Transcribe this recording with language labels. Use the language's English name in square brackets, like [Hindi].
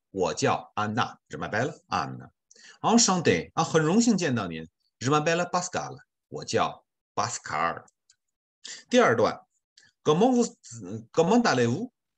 [Chinese] 我叫安娜 ， [French] Je m'appelle Anne. Enchanté [Chinese] 啊，很荣幸见到您。 [French] Je m'appelle Pascal， [Chinese] 我叫巴斯卡尔。第二段 [French] ，Comment allez-vous？